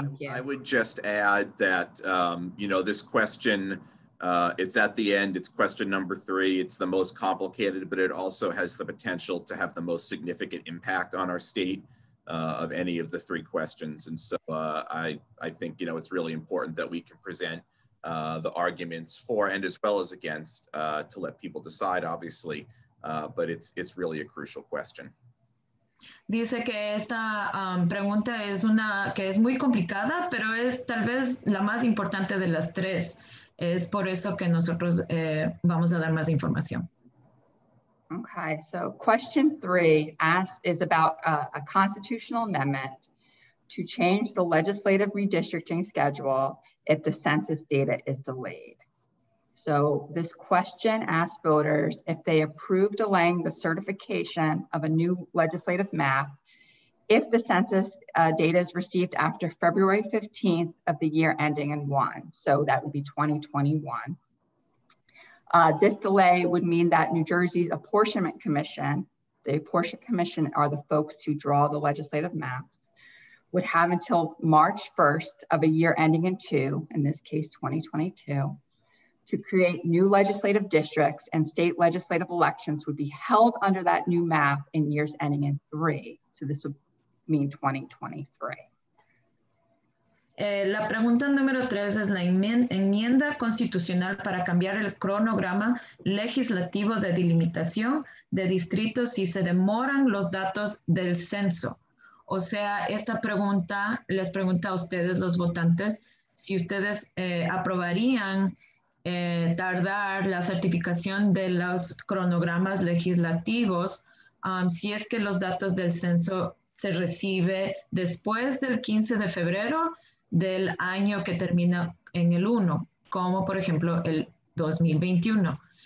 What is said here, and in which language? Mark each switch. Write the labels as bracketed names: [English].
[English] I would just add that, you know, this question, it's at the end, it's question number 3, it's the most complicated, but it also has the potential to have the most significant impact on our state of any of the three questions. And so I think, you know, it's really important that we can present the arguments for and as well as against to let people decide, obviously, but it's really a crucial question. [Spanish] Dice que esta pregunta es una que es muy complicada, pero es tal vez la más importante de las tres. Es por eso que nosotros vamos a dar más información. [English] Okay, so question 3 is about a constitutional amendment to change the legislative redistricting schedule if the census data is delayed. So this question asks voters if they approve delaying the certification of a new legislative map if the census data is received after February 15th of the year ending in 1, so that would be 2021. This delay would mean that New Jersey's apportionment commission, the apportionment commission are the folks who draw the legislative maps, would have until March 1st of a year ending in 2, in this case 2022, to create new legislative districts, and state legislative elections would be held under that new map in years ending in 3. So this would mean 2023. [Spanish] La pregunta número 3 es la enmienda constitucional para cambiar el cronograma legislativo de delimitación de distritos si se demoran los datos del censo. O sea, esta pregunta les pregunta a ustedes los votantes si ustedes aprobarían tardar la certificación de los cronogramas legislativos si es que los datos del censo se recibe después del 15 de febrero del año que termina en el 1, como por ejemplo el 2021.